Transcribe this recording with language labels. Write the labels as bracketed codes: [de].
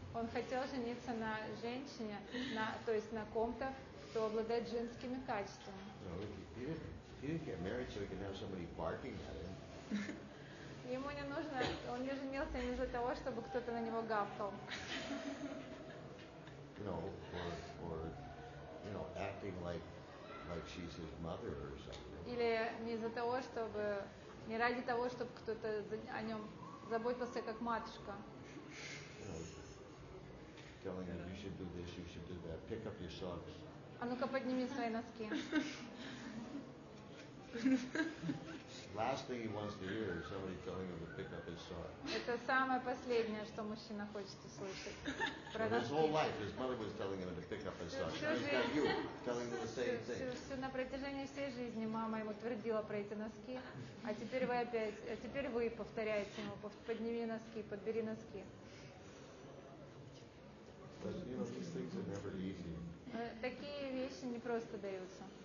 [ru] Он хотел жениться на женщине, то есть на ком-то, кто обладает женскими качествами. [en] No, he didn't get married so he could have somebody barking at him. [ru] Ему не нужно, он не женился не из-за того, чтобы кто-то на него гавкал. [en] No, or you know, acting like she's his mother or something. [ru] Или не из-за того, чтобы, не ради того, чтобы кто-то о нем заботился как матушка. [en] Telling him you should do this, you should do that. Pick up your socks. [ru] А ну-ка подними свои носки. [en] Last thing he wants to hear is somebody telling him to pick up his socks. [ru] Это самое последнее, что мужчина хочет услышать. [en] His whole life, his mother was telling him to pick up his socks. Now he's got you telling him the same thing. [ru] Все на протяжении всей жизни мама ему твердила про эти носки, а теперь вы повторяете ему: подними носки, подбери носки. [en] But you know, these things are never easy. [ru] Такие вещи не просто даются.